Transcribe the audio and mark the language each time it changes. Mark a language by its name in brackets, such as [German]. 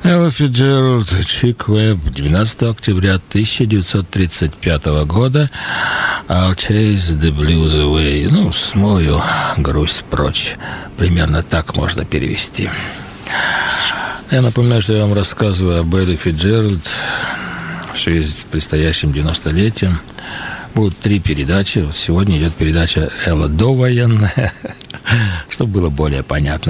[Russian] Фиджеральд Чик Уэбб, 12 октября 1935 года. [English] I'll chase the blues away. [Russian] Ну, смою грусть прочь. Примерно так можно перевести. Я напоминаю, что я вам рассказываю об Элле Фиджеральд в связи с предстоящим 90-летием. Будут три передачи. Сегодня идет передача «Элла довоенная», чтобы было более понятно.